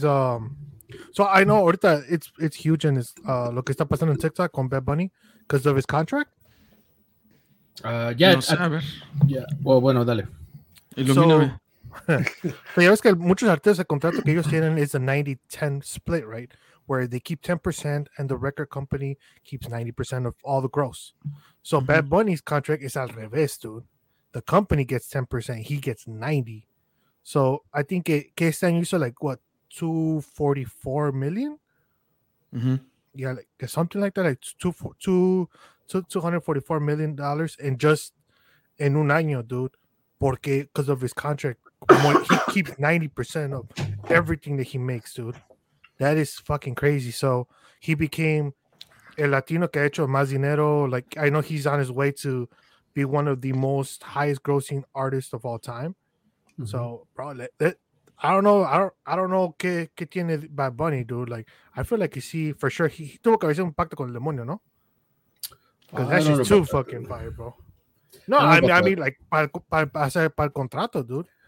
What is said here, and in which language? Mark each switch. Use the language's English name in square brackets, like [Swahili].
[English] So I know [Spanish] ahorita [English] it's huge and it's [Spanish] lo que está pasando en TikTok con [English] Bad Bunny because of his contract? Yeah. No, yeah. Well, [Spanish] bueno, dale. Ilumíname. So, pero ya ves que muchos artistas el contrato que ellos tienen es a [English] 90-10 split, right? Where they keep 10% and the record company keeps 90% of all the gross. So Bad Bunny's contract is [Spanish] al revés, [English] dude. The company gets 10%, he gets 90. So I think [Spanish] que este año hizo [English] like what, 244 million? Mm-hmm. Yeah, like something like that, like $244 million in just in [Spanish] un año, [English] dude. [Spanish] Porque [English] because of his contract. He keeps 90% of everything that he makes, dude. That is fucking crazy. So he became [Spanish] el Latino que ha hecho más dinero. [English] Like, I know he's on his way to be one of the most highest grossing artists of all time. Mm-hmm. So, bro, I don't know [Spanish] qué tiene Bad Bunny, [English] dude. Like, I feel like you see for sure he [Spanish] tuvo que hacer un pacto con el demonio, [English] no? Because that's just too fucking fire, bro. No, I mean, like, [Spanish] para el contrato, [English] dude.